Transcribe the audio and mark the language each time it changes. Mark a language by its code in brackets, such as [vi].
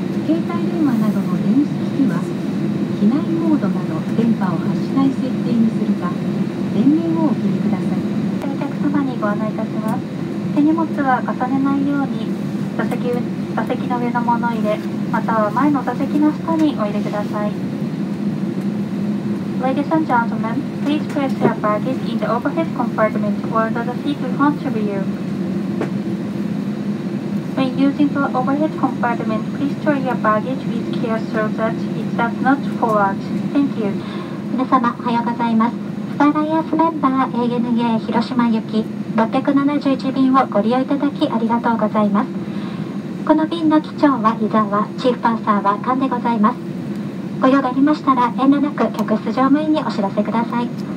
[ja] 携帯電話などの電子機器は、機内モードなど電波を発しない設定にするか、電源をお切りください。お客様にご案内いたします。手荷物は重ねないように、座席の上の物入れ、または前の座席の下にお入れください。 [en] Ladies and gentlemen, please place your baggage in the overhead compartment or the seat in front of you. When using the overhead compartment, please store your baggage with care so that it does not fall out. Thank you. [ja] 皆様、おはようございます。スターライアンスメンバー ANA 広島行き671便をご利用いただきありがとうございます。この便の機長は伊沢、チーフパーサーは菅でございます。ご用がありましたら遠慮なく客室乗務員にお知らせください。